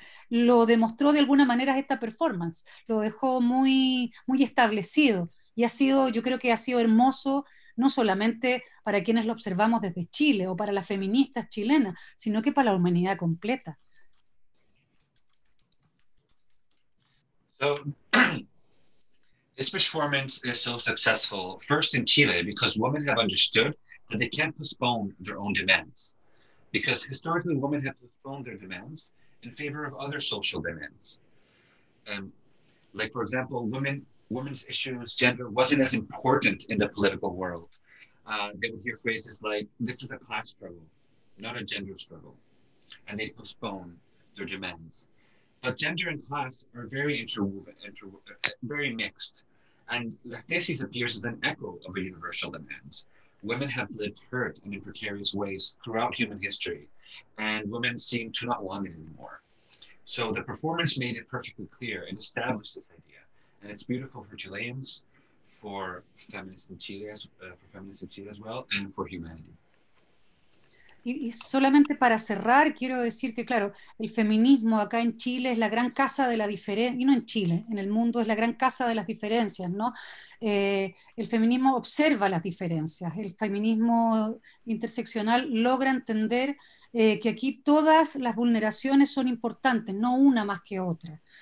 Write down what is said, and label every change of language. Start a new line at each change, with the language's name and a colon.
Spanish: Lo demostró de alguna manera esta performance, lo dejó muy, muy establecido. Y ha sido, yo creo que ha sido hermoso, no solamente para quienes lo observamos desde Chile o para las feministas chilenas, sino que para la humanidad completa.
English: So, this performance is so successful, first in Chile, because women have understood that they can't postpone their own demands. Because historically, women have postponed their demands in favor of other social demands. Like, for example, women's issues, gender, wasn't as important in the political world. They would hear phrases like, this is a class struggle, not a gender struggle. And they postpone their demands. But gender and class are very interwoven, very mixed. And La Tesis appears as an echo of a universal demand. Women have lived hurt and in precarious ways throughout human history. And women seem to not want it anymore. So the performance made it perfectly clear and established this idea. And it's beautiful for Chileans, for feminists in Chile, for feminists in Chile as well, and for humanity.
Spanish: Y solamente para cerrar, quiero decir que, claro, el feminismo acá en Chile es la gran casa de la diferencia, y no en Chile, en el mundo es la gran casa de las diferencias, ¿no? El feminismo observa las diferencias, el feminismo interseccional logra entender que aquí todas las vulneraciones son importantes, no una más que otra.